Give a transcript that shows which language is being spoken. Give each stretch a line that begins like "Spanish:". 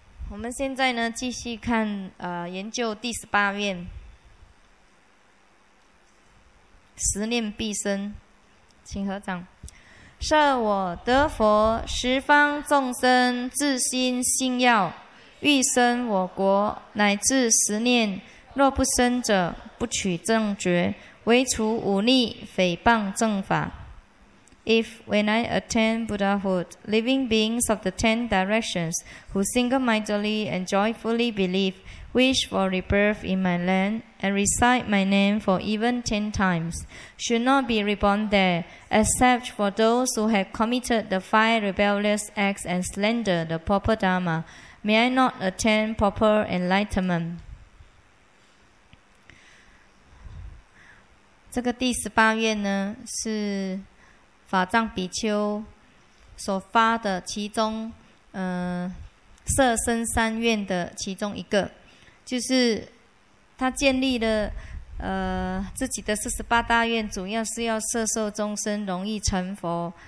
Chinese: 我们现在呢，继续看研究第十八愿，十念必生，请合掌。设我得佛，十方众生自心信要，欲生我国，乃至十念，若不生者，不取正觉，唯除忤逆，诽谤正法。
English: If, when I attain Buddhahood, living beings of the ten directions who single-mindedly and joyfully believe, wish for rebirth in my land, and recite my name for even 10 times, should not be reborn there, except for those who have committed the 5 rebellious acts and slander the proper Dharma, may I not attain proper enlightenment?
Chinese: 这个第十八愿呢，是法藏比丘所发的其中色身三愿的其中一个，就是他建立了自己的48大愿，主要是要摄受众生容易成佛。